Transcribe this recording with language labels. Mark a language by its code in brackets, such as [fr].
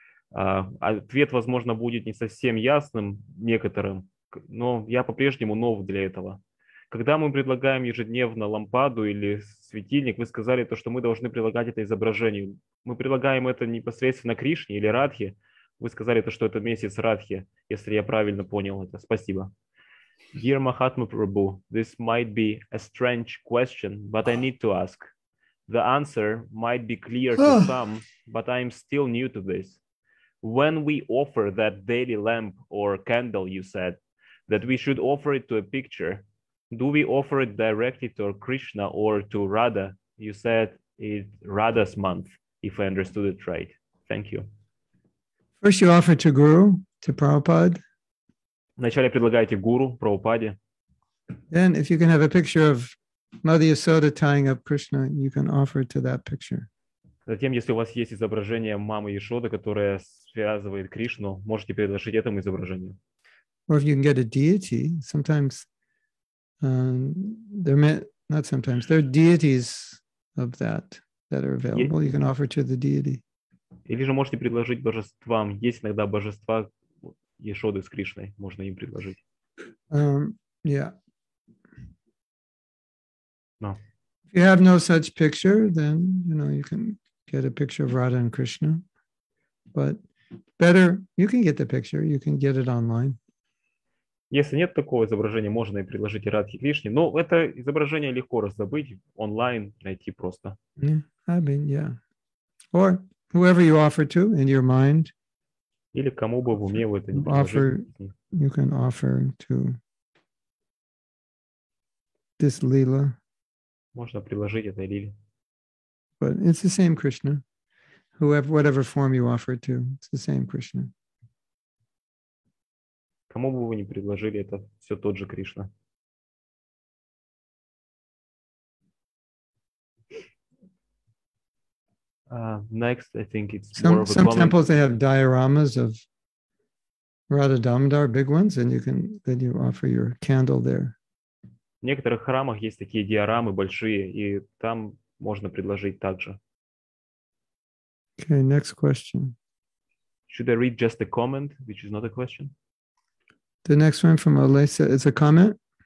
[ru] Ответ, возможно, будет не совсем ясным некоторым, но я по-прежнему нов для этого. Когда мы предлагаем ежедневно лампаду или светильник, вы сказали, то, что мы должны предлагать это изображению. Мы предлагаем это непосредственно Кришне или Радхе. Вы сказали, то, что это месяц Радхе, если я правильно понял это. Спасибо. [en] Dear Mahatma Prabhu, this might be a strange question, but I need to ask. The answer might be clear to some, but I am still new to this. When we offer that daily lamp or candle, you said, that we should offer it to a picture, do we offer it directly to Krishna or to Radha? You said it Radha's month, if I understood it right. Thank you. First you offer to Guru, to Prabhupada. [ru] Вначале предлагаете Гуру, Прабхупаде. [en] Then if you can have a picture of Mother Yasoda tying up Krishna, you can offer it to that picture. [ru] Затем, если у вас есть изображение мамы Яшоды, которое связывает Кришну, можете предложить этому изображению. [en] Or if you can get a deity, sometimes there may not sometimes there are deities of that are available. You can offer to the deity. [ru] Или же можете предложить божествам. Есть иногда божества Яшоды с Кришной, можно им предложить. [en] Yeah. No. If you have no such picture, then you know you can get a picture of Radha and Krishna. But better, you can get the picture. You can get it online. [ru] Если нет такого изображения, можно и предложить Радхе Кришне. Но это изображение легко раздобыть онлайн, найти просто. [en] Yeah, I mean, yeah. Or whoever you offer to in your mind. [ru] Или кому бы в уме вы это не предложили. [en] You can offer to this Lila. [ru] Можно предложить этой Лиле. [en] But it's the same Krishna. Whoever, whatever form you offer to, it's the same Krishna. [ru] Кому бы вы ни предложили, это все тот же Кришна. [en] Next, I think it's more some, of a some temples they have dioramas of Radha Damodar, big ones, and you can then you offer your candle there. [ru] В некоторых храмах есть такие диорамы большие, и там можно предложить также. [en] Okay, next question. Should I read just a comment, which is not a question? The next one from Alisa is a comment?